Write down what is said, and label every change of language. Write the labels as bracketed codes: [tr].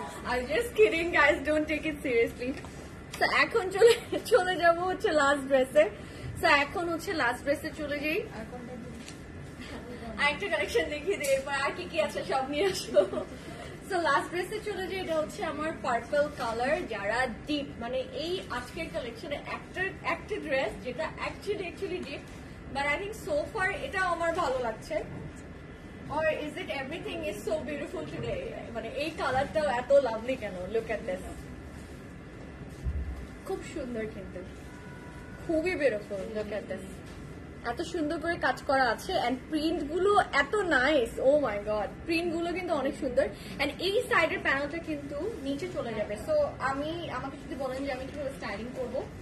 [en] I just kidding guys don't take it seriously [bn] so এখন চলে যাব হচ্ছে লাস্ট ড্রেসে সো এখন হচ্ছে লাস্ট ড্রেসে চলে যাই আর একটা কালেকশন দেখিয়ে দিই এরপর আর কি কি আছে সব নিয়ে আসবো সো লাস্ট ড্রেসে চলে যাই, এটা হচ্ছে আমার পার্পল কালার, যারা ডিপ মানে এই আজকের কালেকশনে একটি ড্রেস যেটা actually deep, [en] but I think so far [bn] এটা আমার ভালো লাগছে। [en] Or is it everything is so beautiful today? [bn] মানে এই কালারটাও এত লাভলি কেন, [en] look at this, [bn] খুব সুন্দর, কিন্তু খুবই বিউটিফুল, লুক এট দিস, এত সুন্দর করে কাজ করা আছে, এন্ড প্রিন্ট গুলো এত নাইস, [en] oh my god, [bn] প্রিন্ট গুলো কিন্তু অনেক সুন্দর, এন্ড এই সাইড এর প্যানেলটা কিন্তু নিচে চলে যাবে, সো আমি আমাকে যদি বলেন যে আমি কিভাবে স্টাইলিং করব,